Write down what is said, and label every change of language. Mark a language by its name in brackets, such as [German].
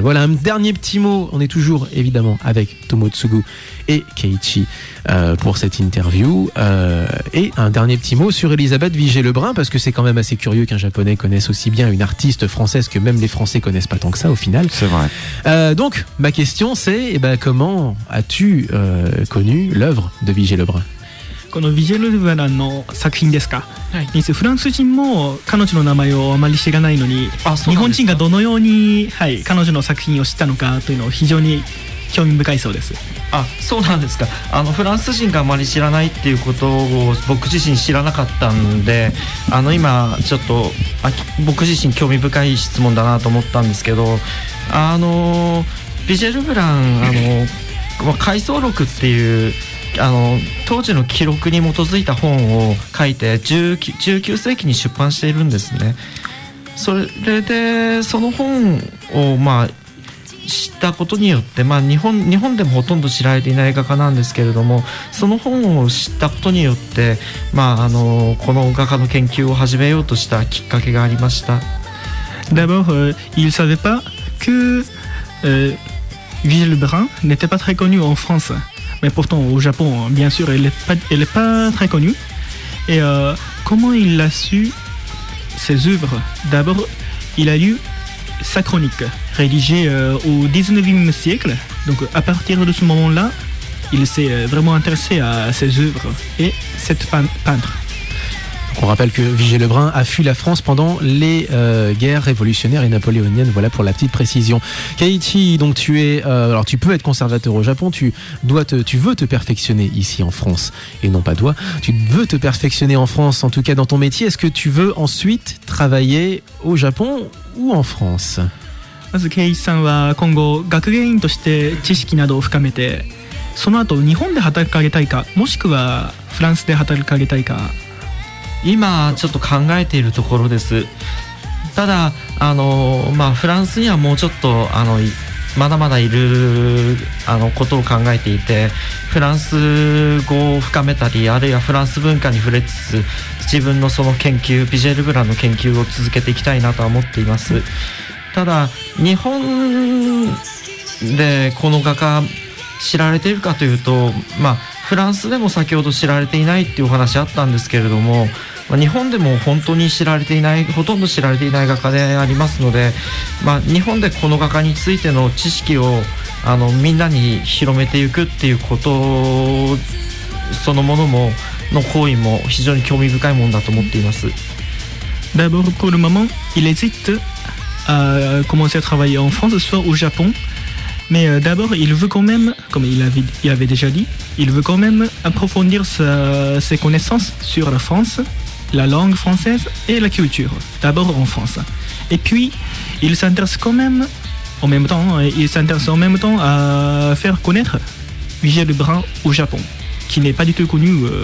[French] Voilà, un dernier petit mot, on est toujours évidemment avec Tomotsugu et Keiichi pour cette interview. Et un dernier petit mot sur Elisabeth Vigée-Lebrun, parce que c'est quand même assez curieux qu'un Japonais connaisse aussi bien une artiste française que même les Français connaissent pas tant que ça au final. C'est vrai. Donc, ma question c'est, eh ben, comment as-tu connu l'œuvre de Vigée-Lebrun ? [Japanese] このヴィジェルヴェランの作品ですか、はい、フランス人も彼女の名前をあまり知らないのに日本人がどのように、はい、彼女の作品を知ったのかというのを非常に興味深いそうです。あ、そうなんですか。あのフランス人があまり知らないっていうことを僕自身知らなかったんで、あの今ちょっと僕自身興味深い質問だなと思ったんですけど、あのヴィジェルヴェラン、あの回想録っていう、あの当時の記録に基づいた本を書いて 19世紀に出版しているんですね。それでその本を、まあ、知ったことによって、まあ、日本でもほとんど知られていない画家なんですけれども、その本を知ったことによって、まあ、あのこの画家の研究を始めようとしたきっかけがありました。 [French] D'abord, il savait pas que Vigée-Lebrun n'était pas très connu en France. Mais pourtant, au Japon, bien sûr, elle n'est pas très connue. Et comment il a su ses œuvres ? D'abord, il a lu sa chronique, rédigée au 19e siècle. Donc, à partir de ce moment-là, il s'est vraiment intéressé à ses œuvres et cette peintre. On rappelle que Vigée Lebrun a fui la France pendant les guerres révolutionnaires et napoléoniennes, voilà pour la petite précision. Keiichi, donc tu es alors tu peux être conservateur au Japon, tu veux te perfectionner ici en France et non pas toi, tu veux te perfectionner en France en tout cas dans ton métier. Est-ce que tu veux ensuite travailler au Japon ou en France ? [Japanese] まず、ケイチさんは今後学芸員として知識などを深めて、その後日本で働かれたいか、もしくはフランスで働かれたいか。今ちょっと考えているところです。ただフランスにはもうちょっとまだまだいることを考えていて、フランス語を深めたり、あるいはフランス文化に触れつつ、自分のその研究、ビジェルブラの研究を続けていきたいなとは思っています。ただ日本でこの画家知られているかというと、フランスでも先ほど知られていないっていうお話あったんですけれども、日本でも本当に知られていない、ほとんど知られていない画家でありますので、日本でこの画家についての知識をみんなに広めていくっていうことそのものもの行為も非常に興味深いものだと思っています。ダブルコールママン、イレジット。 [French] Commencer à travailler en France, soit au Japon. Mais d'abord, il veut quand même, comme il avait déjà dit, il veut quand même approfondir ses connaissances sur la France, la langue française et la culture, d'abord en France. Et puis, il s'intéresse quand même, en même temps, à faire connaître Vigée Lebrun au Japon, qui n'est pas du tout connu,